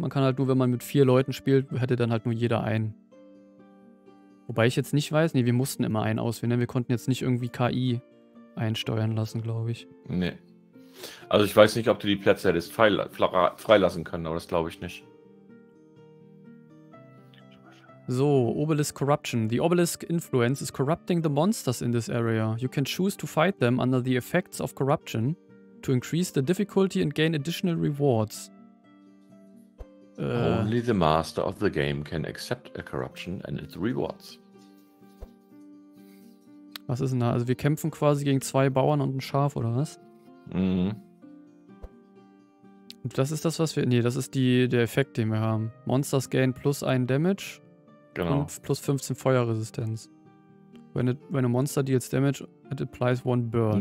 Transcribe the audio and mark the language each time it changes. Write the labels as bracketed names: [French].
[German] Man kann halt nur, wenn man mit vier Leuten spielt, hätte dann halt nur jeder einen. Wobei ich jetzt nicht weiß, nee, wir mussten immer einen auswählen. Wir konnten jetzt nicht irgendwie KI einsteuern lassen, glaube ich. Nee. Also ich weiß nicht, ob du die Plätze hättest freilassen können, aber das glaube ich nicht. [English] So, Obelisk Corruption. The Obelisk Influence is corrupting the monsters in this area. You can choose to fight them under the effects of corruption to increase the difficulty and gain additional rewards. Only the master of the game can accept a corruption and its rewards. [German] Was ist denn da? Also wir kämpfen quasi gegen zwei Bauern und ein Schaf, oder was? Mhm. Und das ist das, was wir... Nee, das ist der Effekt, den wir haben. [English] Monsters gain plus ein Damage. [German] Genau. Und plus 15 Feuerresistenz. [English] When a monster deals damage, it applies one burn.